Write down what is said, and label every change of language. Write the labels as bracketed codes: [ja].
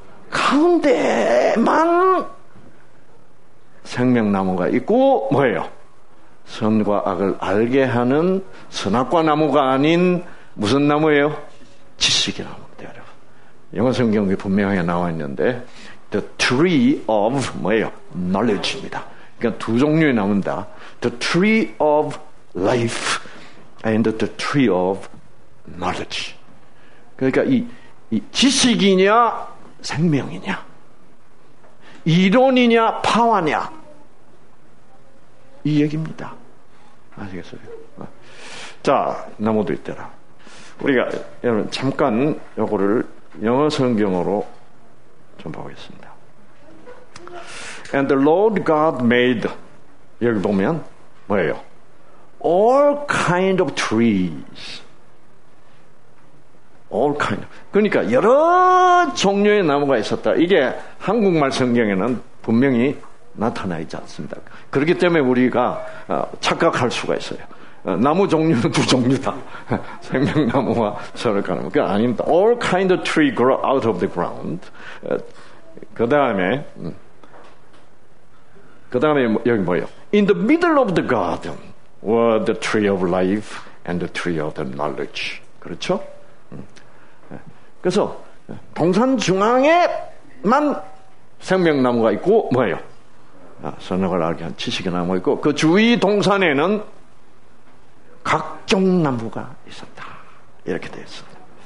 [ko] 가운데만 생명나무가 있고 뭐예요? 선과 악을 알게 하는 선악과 나무가 아닌 무슨 나무예요? 지식의 나무입니다. 여러분 영어성경에 분명하게 나와있는데 [en] The tree of [ko] 뭐예요? Knowledge입니다. 그러니까 두 종류의 나무입니다. [en] The tree of life and the tree of knowledge. [ko] 그러니까 이 지식이냐 생명이냐 이론이냐 파워냐 이 얘기입니다. 아시겠어요? 자 나무도 있더라. 우리가 여러분 잠깐 요거를 영어 성경으로 좀 보겠습니다. [en] And the Lord God made [ko] 여기 보면 뭐예요? [en] All kind of trees. All kind of. [ko] 그러니까 여러 종류의 나무가 있었다. 이게 한국말 성경에는 분명히 나타나 있지 않습니다. 그렇기 때문에 우리가 착각할 수가 있어요. 나무 종류는 두 종류다. 생명나무와 선악과 나무. 그건 아닙니다. [en] All kind of tree grow out of the ground. [ko] 그 다음에 여기 뭐예요? [en] In the middle of the garden were the tree of life and the tree of the knowledge. [ko] 그렇죠? 그래서 동산 중앙에만 생명나무가 있고 뭐예요? 선악을 알게 한 지식의 나무가 있고 그 주위 동산에는 각종 나무가 있었다. 이렇게 되었습니다.